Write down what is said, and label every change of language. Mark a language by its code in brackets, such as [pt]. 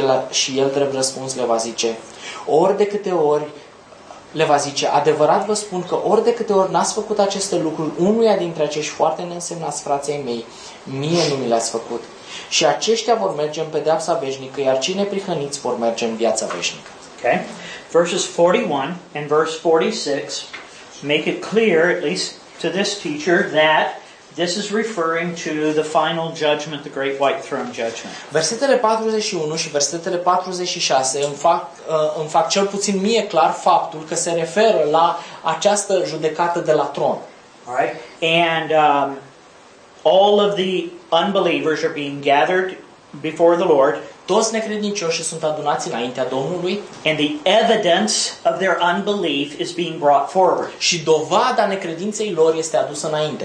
[ro] Și el drept răspuns le va zice, ori de câte ori le va zice, adevărat vă spun că ori de câte ori n-ați făcut aceste lucruri, unuia dintre acești foarte neînsemnați frații mei, mie nu mi le-ați făcut. Și aceștia vor merge în pedeapsa veșnică, iar cei neprihăniți vor merge în viața veșnică. [en] Okay. Verses 41 and verse 46 make it clear, at least to this teacher, that this is referring to the final judgment, the great white throne judgment. [ro] Versetele 41 și versetele 46 îmi fac cel puțin mie clar faptul că se referă la această judecată de la tron. [en] All right? And all of the unbelievers are being gathered before the Lord. [ro] Toți necredincioșii sunt adunați înaintea Domnului. [en] And the evidence of their unbelief is being brought forward. [ro] Și dovada necredinței lor este adusă înainte.